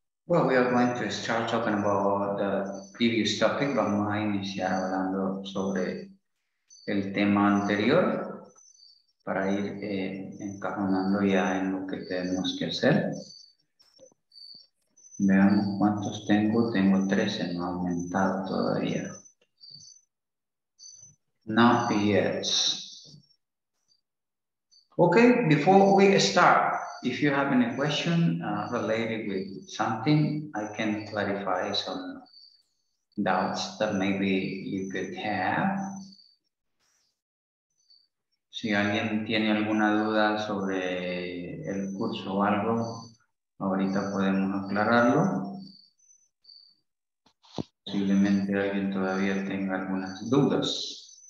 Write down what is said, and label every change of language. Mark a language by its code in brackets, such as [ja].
[en] Well, we are going to start talking about the previous topic. [es] Vamos a iniciar hablando sobre el tema anterior para ir encajonando ya en lo que tenemos que hacer. Veamos cuántos tengo. Tengo 13, no ha aumentado todavía. [en] Not yet. Okay, before we start. If you have any question related with something, I can clarify some doubts that maybe you could have. [es] Si alguien tiene alguna duda sobre el curso o algo, ahorita podemos aclararlo. Posiblemente alguien todavía tenga algunas dudas.